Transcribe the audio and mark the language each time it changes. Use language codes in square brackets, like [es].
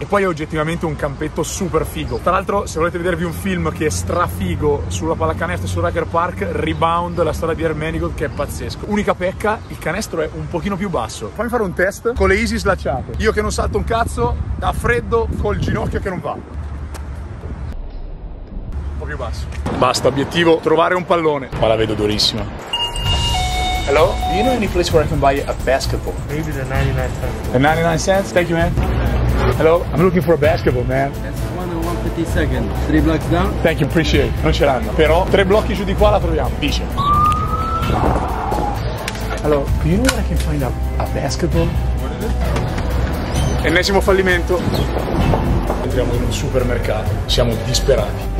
[it] E poi è oggettivamente un campetto super figo. Tra l'altro, se volete vedervi un film che è strafigo sulla pallacanestro e su Rucker Park, Rebound, la storia di Ermenico, che è pazzesco. Unica pecca, il canestro è un pochino più basso. Fammi fare un test con le easy slacciate. Io che non salto un cazzo, da freddo, col ginocchio che non va. Basso. Basta, obiettivo, trovare un pallone. Ma la vedo durissima. [en] Hello, do you know any place where I can buy a basketball? Maybe the 99 cents. The 99 cents? Thank you, man. Hello, I'm looking for a basketball, man. That's 1 and 1/52nd, 3 blocks down. Thank you, appreciate. Non ce l'hanno. [it] Però, 3 blocchi giù di qua la troviamo. Dice. [en] Hello, do you know where I can find a basketball? What is it? [it] Ennesimo fallimento. Entriamo in un supermercato, siamo disperati.